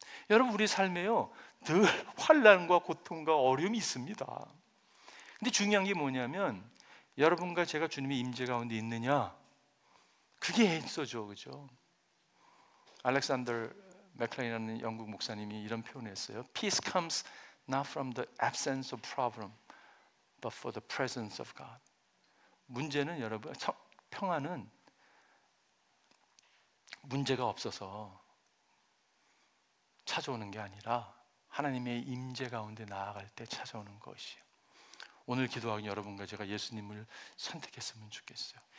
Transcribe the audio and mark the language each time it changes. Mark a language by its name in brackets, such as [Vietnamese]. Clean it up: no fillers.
[Korean] 여러분 우리 삶에요. 늘 환난과 고통과 어려움이 있습니다. 근데 중요한 게 뭐냐면 여러분과 제가 주님의 임재 가운데 있느냐? 그게 엔서죠. 그죠? 알렉산더 맥클레인이라는 영국 목사님이 이런 표현을 했어요. [English] Peace comes not from the absence of problem but for the presence of God. [Korean] 문제는 여러분 평화는 문제가 없어서 찾아오는 게 아니라 하나님의 임재 가운데 나아갈 때 찾아오는 것이에요. 오늘 기도하는 여러분과 제가 예수님을 선택했으면 좋겠어요.